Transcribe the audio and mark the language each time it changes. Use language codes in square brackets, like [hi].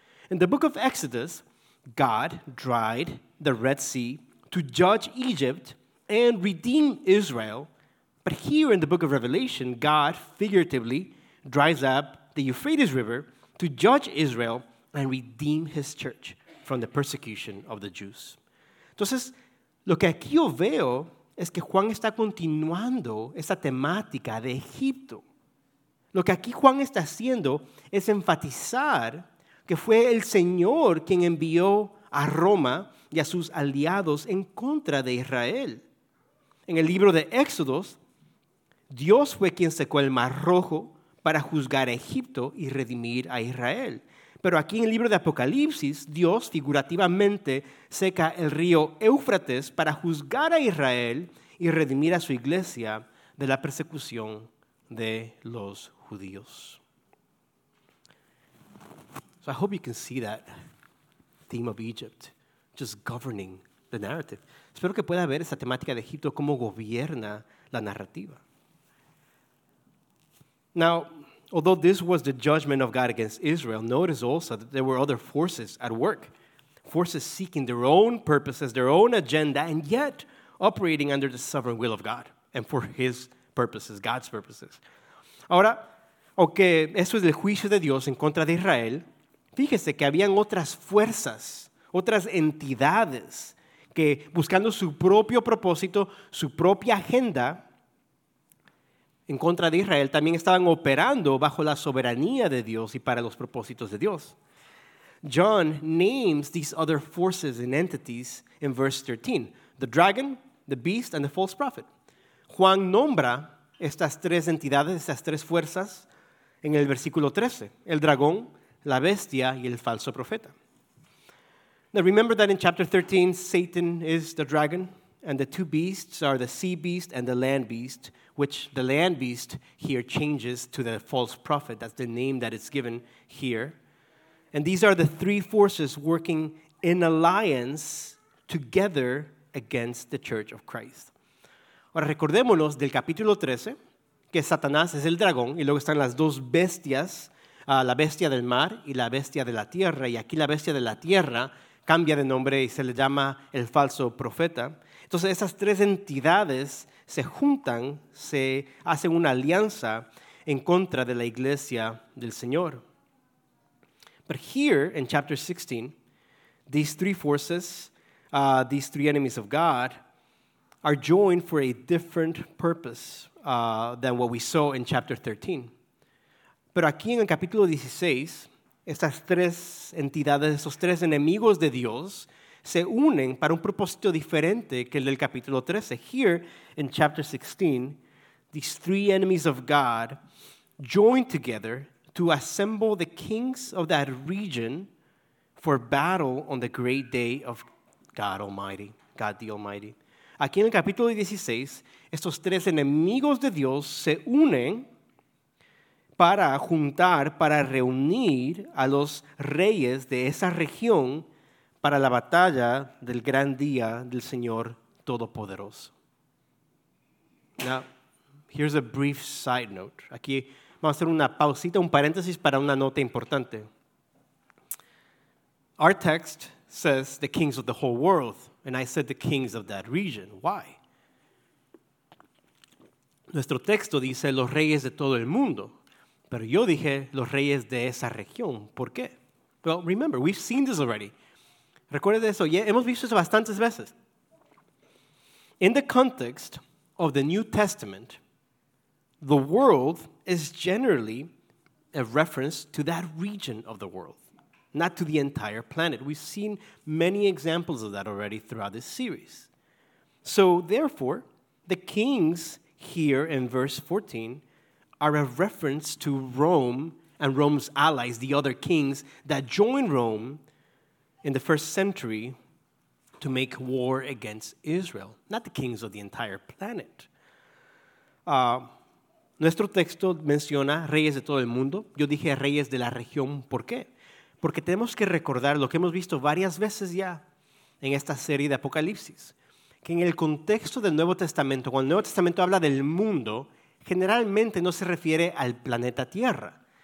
[en] In the book of Exodus, God dried the Red Sea to judge Egypt and redeem Israel. But here in the book of Revelation, God figuratively dries up the Euphrates River to judge Israel and redeem his church from the persecution of the Jews. [es] Entonces, lo que aquí yo veo es que Juan está continuando esta temática de Egipto. Lo que aquí Juan está haciendo es enfatizar que fue el Señor quien envió a Roma y a sus aliados en contra de Israel. En el libro de Éxodos, Dios fue quien secó el Mar Rojo para juzgar a Egipto y redimir a Israel. Pero aquí en el libro de Apocalipsis, Dios figurativamente seca el río Éufrates para juzgar a Israel y redimir a su iglesia de la persecución de los judíos. [en] So I hope you can see that theme of Egypt just governing the narrative. [es] Espero que pueda ver esa temática de Egipto cómo gobierna la narrativa. [en] Now, although this was the judgment of God against Israel, notice also that there were other forces at work, forces seeking their own purposes, their own agenda, and yet operating under the sovereign will of God and for his purposes, God's purposes. [es] Ahora, aunque esto es el juicio de Dios en contra de Israel, fíjese que habían otras fuerzas, otras entidades que buscando su propio propósito, su propia agenda, en contra de Israel, también estaban operando bajo la soberanía de Dios y para los propósitos de Dios. [en] John names these other forces and entities in verse 13. The dragon, the beast, and the false prophet. [es] Juan nombra estas tres entidades, estas tres fuerzas, en el versículo 13. El dragón, la bestia, y el falso profeta. [en] Now remember that in chapter 13, Satan is the dragon, and the two beasts are the sea beast and the land beast, which the land beast here changes to the false prophet. That's the name that it's given here. And these are the three forces working in alliance together against the church of Christ. [es] Ahora recordémonos del capítulo 13, que Satanás es el dragón, y luego están las dos bestias, la bestia del mar y la bestia de la tierra. Y aquí la bestia de la tierra cambia de nombre y se le llama el falso profeta. Entonces esas tres entidades se juntan, se hacen una alianza en contra de la iglesia del Señor. [en] But here in chapter 16, these three forces, these three enemies of God, are joined for a different purpose than what we saw in chapter 13. [es] Pero aquí en el capítulo 16, estas tres entidades, esos tres enemigos de Dios, se unen para un propósito diferente que el del capítulo 13. [en] Here in chapter 16, these three enemies of God join together to assemble the kings of that region for battle on the great day of God Almighty, God the Almighty. [es] Aquí en el capítulo 16, estos tres enemigos de Dios se unen para juntar, para reunir a los reyes de esa región para la batalla del gran día del Señor Todopoderoso. [en] Now, here's a brief side note. [es] Aquí vamos a hacer una pausita, un paréntesis para una nota importante. [en] Our text says the kings of the whole world, and I said the kings of that region. Why? [es] Nuestro texto dice los reyes de todo el mundo, pero yo dije los reyes de esa región. ¿Por qué? [en] Well, remember, we've seen this already. [es] Recuerde eso. Yeah, hemos visto eso bastantes veces. [en] In the context of the New Testament, the world is generally a reference to that region of the world, not to the entire planet. We've seen many examples of that already throughout this series. So, therefore, the kings here in verse 14 are a reference to Rome and Rome's allies, the other kings that joined Rome in the first century to make war against Israel, not the kings of the entire planet. [es] Nuestro texto menciona reyes de todo el mundo. Yo dije reyes de la región. ¿Por qué? Porque tenemos que recordar lo que hemos visto varias veces ya en esta serie de Apocalipsis, que en el contexto del Nuevo Testamento, cuando el Nuevo Testamento habla del mundo, generalmente no se refiere al planeta Tierra.